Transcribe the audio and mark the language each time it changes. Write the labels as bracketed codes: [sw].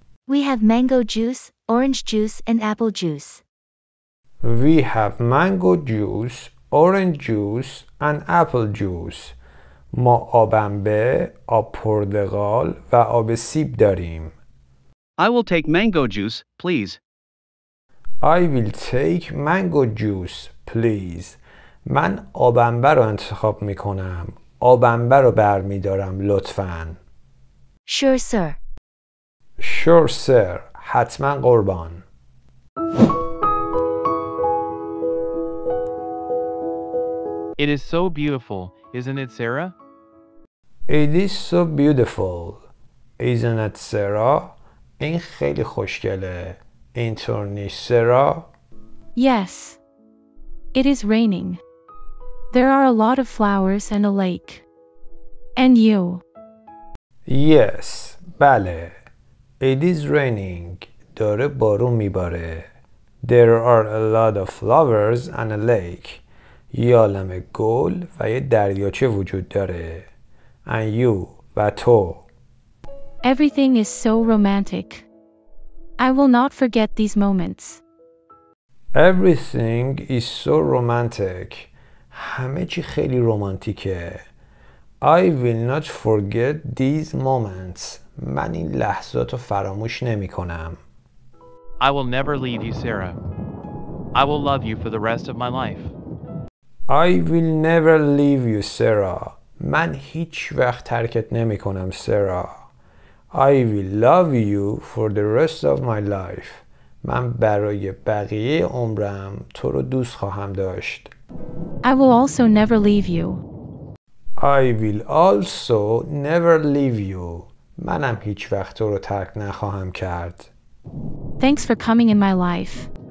[en] We have mango juice, orange juice and apple juice. We have mango juice, orange juice and apple juice. [fa] ما آب انبه، آب پرتقال و آب سیب داریم. [en] I will take mango juice, please. I will take mango juice, please. [fa] من آب انبه رو انتخاب می کنم. آب انبه رو برمی دارم لطفاً. [en] Sure, sir. Sure, sir. [fa] حتما قربان. [en] It is so beautiful, isn't it, Sarah? It is so beautiful, isn't it, Sarah? [fa] این خیلی خوشگله. اینطور نیست, Sarah? [en] Yes. It is raining. There are a lot of flowers and a lake. And you? Yes, [fa] بله. [en] It is raining. [fa] داره بارون میباره. [en] There are a lot of flowers and a lake. [fa] یه عالم گل و یه دریاچه وجود داره. [en] And you, [fa] و تو. [en] Everything is so romantic. I will not forget these moments. Everything is so romantic. [fa] همه چی خیلی رومانتیکه. [en] I will not forget these moments. [fa] من این لحظات رو فراموش نمی کنم. [en] I will never leave you, Sarah. I will love you for the rest of my life. I will never leave you, Sarah. [fa] من هیچ وقت ترکت نمی کنم, Sarah. [en] I will love you for the rest of my life. [fa] من برای بقیه عمرم تو رو دوست خواهم داشت. [en] I will also never leave you. I will also never leave you. [fa] منم هیچ وقت تو رو ترک نخواهم کرد. [en] Thanks for coming in my life.